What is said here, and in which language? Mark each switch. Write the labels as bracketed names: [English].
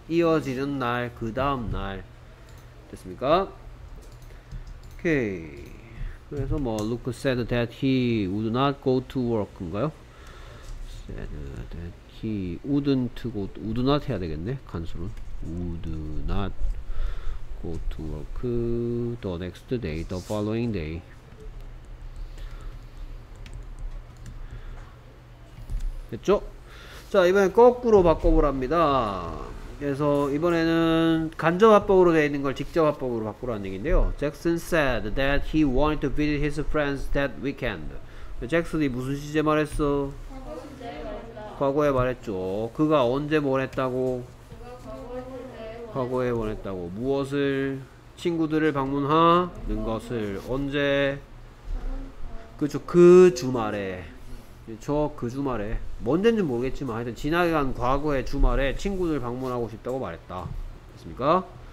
[Korean] 이어지는 날, 그 다음 날 됐습니까? 오케이. 그래서 뭐 [English] Luke said that he would not go to work [Korean] 인가요? [English] said that he wouldn't go to, would not [Korean] 해야 되겠네 간수는 [English] would not go to work the next day, the following day. [Korean] 됐죠? 자, 이번에 거꾸로 바꿔보랍니다. 그래서 이번에는 간접 합법으로 되어 있는 걸 직접 합법으로 바꾸라는 얘기인데요. [English] Jackson said that he wanted to visit his friends that weekend. [Korean] 잭슨이 무슨 시제 말했어? 과거에 말했죠. 그가 언제 뭘 했다고? 과거에 원했다고 무엇을 친구들을 방문하는 것을 언제 그쵸 그 주말에 저 그 주말에 뭔데인지는 모르겠지만 하여튼 지나게 간 과거의 주말에 친구들 방문하고 싶다고 말했다 됐습니까?